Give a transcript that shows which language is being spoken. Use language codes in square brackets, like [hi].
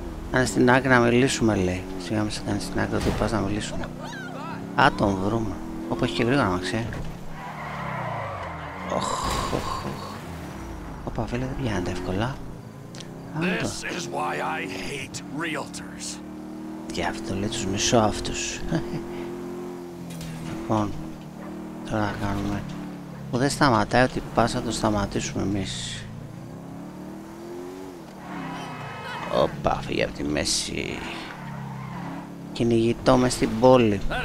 [el] Κάνε στην άκρη να μιλήσουμε, λέει. Σιγά μην σε κάνει στην άκρη, ότι πας να μιλήσουμε. Α, τον βρούμε. Όπως και γρήγορα, να ξέρει. Οχ, οχ, οχ. Οπα, φίλε, δεν πιάνεται εύκολα. [en] This is why I hate realtors. [el] Γι' αυτό λέει τους μισώ αυτούς. Λοιπόν, τώρα να κάνουμε. Που δεν σταματάει ότι πας να το σταματήσουμε εμείς. Οπα, φύγε από τη μέση. Κυνηγητό μες στην πόλη.